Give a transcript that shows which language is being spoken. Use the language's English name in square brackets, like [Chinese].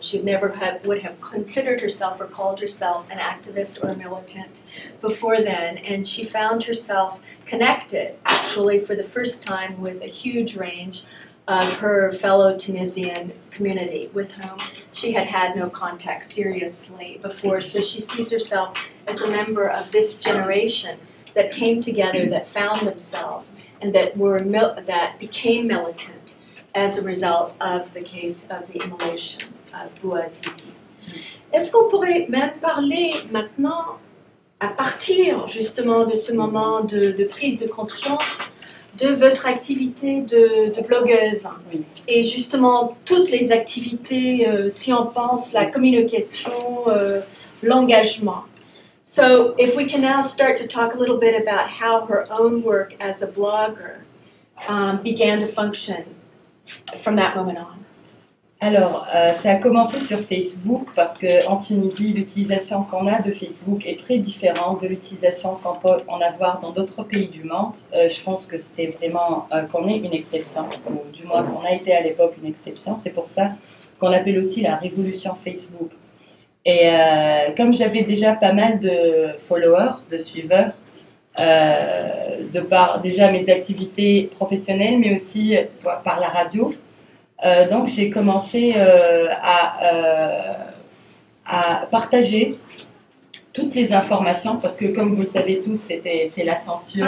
[English] She never would have considered herself or called herself an activist or a militant before then, and she found herself connected, actually, for the first time with a huge range of her fellow Tunisian community with whom she had had no contact seriously before. So she sees herself as a member of this generation that came together, that found themselves, and that were that became militant as a result of the case of the immolation of Bouazizi. [French] Est-ce qu'on pourrait même parler maintenant, à partir justement de ce moment de prise de conscience, de votre activité de blogueuse? Oui. Et justement toutes les activités, si on pense la communication, l'engagement. [English] So if we can now start to talk a little bit about how her own work as a blogger began to function from that moment on. [French] Alors, ça a commencé sur Facebook parce qu'en Tunisie, l'utilisation qu'on a de Facebook est très différente de l'utilisation qu'on peut en avoir dans d'autres pays du monde. Je pense que c'était vraiment qu'on est une exception, ou du moins qu'on a été à l'époque une exception. C'est pour ça qu'on appelle aussi la révolution Facebook. Et comme j'avais déjà pas mal de followers, de suiveurs, de par déjà mes activités professionnelles, mais aussi par la radio, donc j'ai commencé à partager toutes les informations, parce que comme vous le savez tous, c'est la censure.